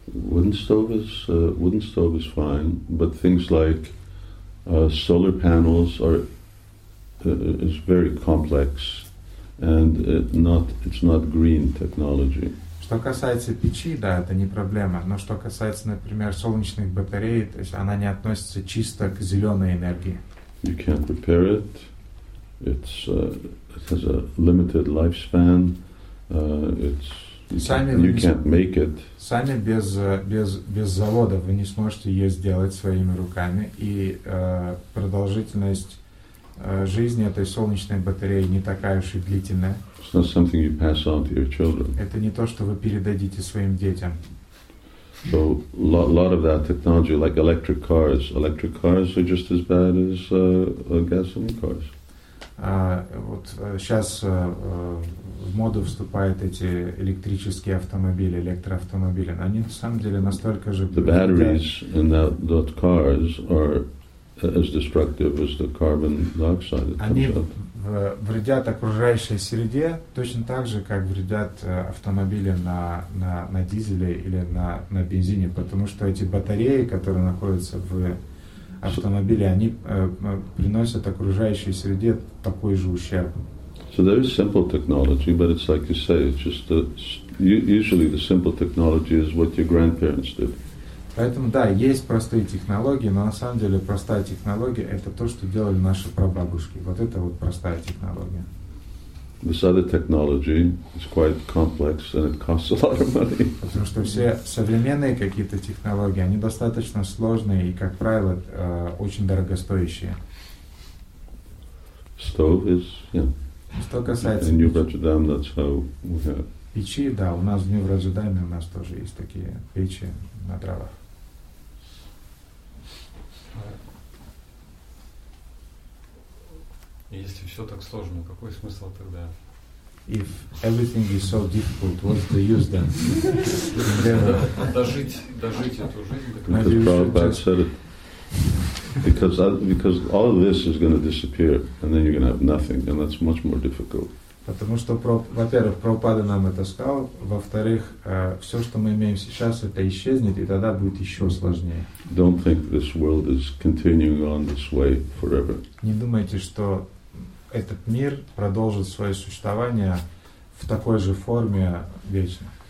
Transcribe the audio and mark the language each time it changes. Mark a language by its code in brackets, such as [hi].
[en] Wooden stove is fine, but things like solar panels are is very complex, and it's not green technology. [ru] Что касается печи, да, это не проблема. Но что касается, например, солнечных батарей, то есть она не относится чисто к зеленой энергии. [en] You can't repair it. It has a limited lifespan. You can't make it. [ru] Сами без завода вы не сможете ее сделать своими руками, и продолжительность жизни этой солнечной батареи не такая уж и длительная. [en] It's not something you pass on to your children. [ru] Это не то, что вы передадите своим детям. [en] So lot of that technology, like electric cars. Electric cars are just as bad as gasoline cars. [ru] В моду вступают эти электрические автомобили, электроавтомобили. Но они на самом деле настолько же... [en] The batteries in those cars are as destructive as the carbon dioxide. [ru] Они вредят окружающей среде точно так же, как вредят автомобили на дизеле или на бензине, потому что эти батареи, которые находятся в автомобиле, они приносят окружающей среде такой же ущерб. [en] So there is simple technology, but it's like you say, it's just the, usually the simple technology is what your grandparents did. [ru] Поэтому да, есть простые технологии, но на самом деле простая технология — это то, что делали наши прабабушки. Вот это вот простая технология. [en] this other technology is quite complex and it costs a lot of money. [ru] Потому что все современные какие-то технологии, они достаточно сложные и, как правило, очень дорогостоящие. [en] Stove is, yeah. [ru] Что касается... [en] In New Rotterdam, that's how we have. [ru] Печи, да, у нас в Нью-Рождаме у нас тоже есть такие печи на дровах. Если все так сложно, какой смысл тогда? [en] If everything is so difficult, what's the use then? [ru] Дожить эту жизнь. [en] Because Prabhupada said it. Because all of this is going to disappear, and then you're going to have nothing, and that's much more difficult. [ru] Потому что, во-первых, Прабхупада нам это сказал, во-вторых, все, что мы имеем сейчас, это исчезнет, и тогда будет еще сложнее. [en] Don't think this world is continuing on this way forever. [ru] Не думайте, что этот мир продолжит свое существование в такой же форме вечно.